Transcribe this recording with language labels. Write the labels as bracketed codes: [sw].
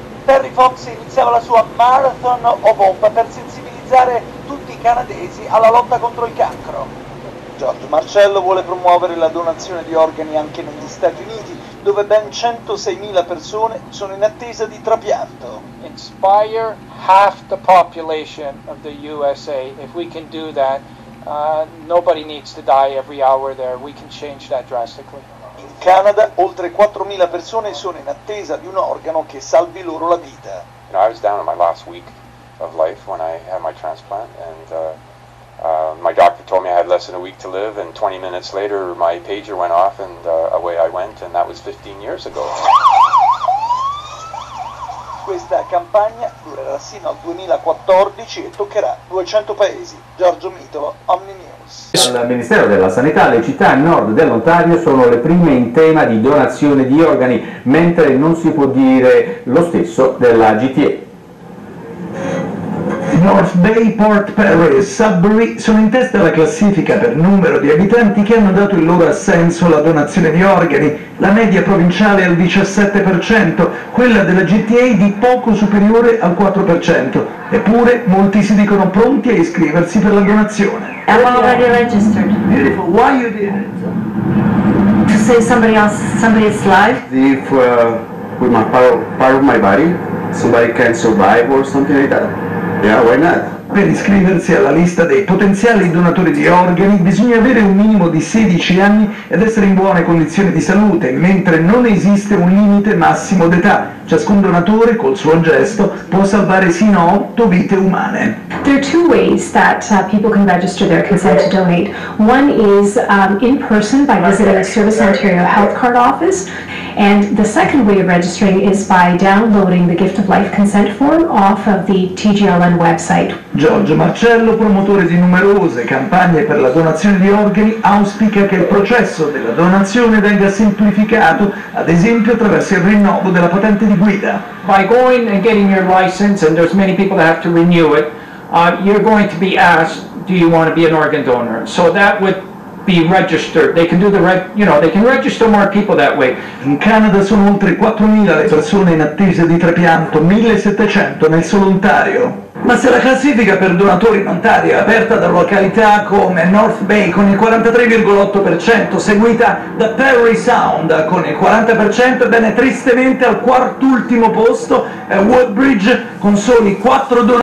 [it] Terry Fox iniziava la sua Marathon of Hope per sensibilizzare tutti I canadesi alla lotta contro il cancro. George Marcello vuole promuovere la donazione di organi anche negli Stati Uniti, dove ben 106.000 persone sono in attesa di trapianto. [en] Inspire half the population of the USA. If we can do that, nobody needs to die every hour there. We can change that drastically. [it] In Canada, oltre 4.000 persone sono in attesa di un organo che salvi loro la vita. [en] You know, I was down in my last week of life when I had my transplant, and my doctor told me I had less than a week to live, and 20 minutes later my pager went off and away I went, and that was 15 years ago. [it] Questa campagna durerà sino al 2014 e toccherà 200 paesi. Giorgio Mitolo, Omni News. Al Ministero della Sanità, le città a nord dell'Ontario sono le prime in tema di donazione di organi, mentre non si può dire lo stesso della GTA. North Bay, Port Perry e Sudbury sono in testa alla classifica per numero di abitanti che hanno dato il loro assenso alla donazione di organi. La media provinciale è al 17%, quella della GTA di poco superiore al 4%. Eppure molti si dicono pronti a iscriversi per la donazione. [en] I'm already registered. Beautiful. Why you did it? To save somebody's life. If with my part of my body, somebody can survive or something like that. Yeah, why not? [it] Per iscriversi alla lista dei potenziali donatori di organi bisogna avere un minimo di 16 anni ed essere in buone condizioni di salute, mentre non esiste un limite massimo d'età. Ciascun donatore, col suo gesto, può salvare sino a 8 vite umane. [en] There are two ways that people can register their consent to donate. One is in person by visiting the Service Ontario Health Card Office, and the second way of registering is by downloading the Gift of Life consent form off of the TGLN website. [it] Giorgio Marcello, promotore di numerose campagne per la donazione di organi, auspica che il processo della donazione venga semplificato, ad esempio attraverso il rinnovo della patente di guida. [en] By going and getting your license, and there's many people that have to renew it, you're going to be asked, do you want to be an organ donor? So that would be registered. They can do the they can register more people that way. [it] In Canada sono oltre 4.000 le persone in attesa di trapianto, 1.700 nel solo Ontario. Ma se la classifica per donatori in Ontario è aperta da località come North Bay con il 43,8%, seguita da Perry Sound con il 40%, bene, tristemente al quart'ultimo posto è Woodbridge con soli 4 donatori.